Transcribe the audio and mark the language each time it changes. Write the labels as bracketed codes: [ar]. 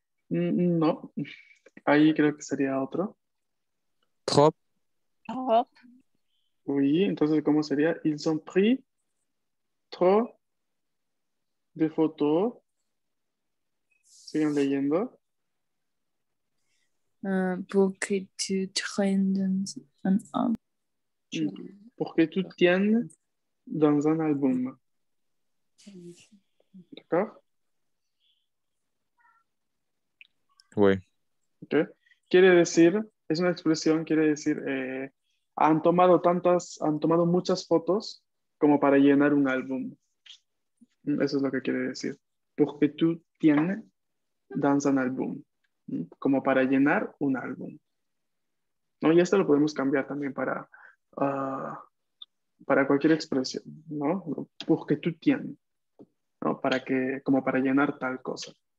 [es] No, ahí creo que sería otro. [fr] Trop. Trop. Oui, [es] entonces, ¿cómo sería? [fr] Ils ont pris trop de photos. [es] Siguen leyendo. [fr] Pour que tu traînes dans un album. Pour que tu tiennes dans un album. D'accord? Oui. Okay. [es] Quiere decir, es una expresión, quiere decir, han tomado muchas fotos como para llenar un álbum. Eso es lo que quiere decir. [fr] Pour que tu tiennes dans un album. [es] Como para llenar un álbum, ¿no? Y esto lo podemos cambiar también para cualquier expresión, ¿no? [fr] Pour que tu tiennes, [es] ¿no? Como para llenar tal cosa.